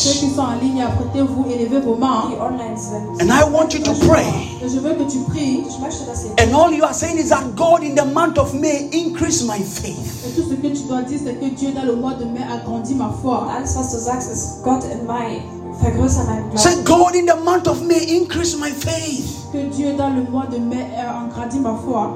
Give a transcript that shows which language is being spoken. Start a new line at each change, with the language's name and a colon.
French: Ceux qui sont en ligne, apprêtez-vous, élevez vos mains.
English: And I want you to pray.
French: Je veux que tu pries.
English: And all you are saying is that God, in the month of May, increase my faith.
French: Et tout ce que tu dois dire, c'est que Dieu, dans le mois de mai, a grandi ma foi.
German: Alles, was du sagst, ist Gott
English: in May. Say, God, in the month of May, increase my faith.
French: Que Dieu dans le mois de mai engrandit ma foi.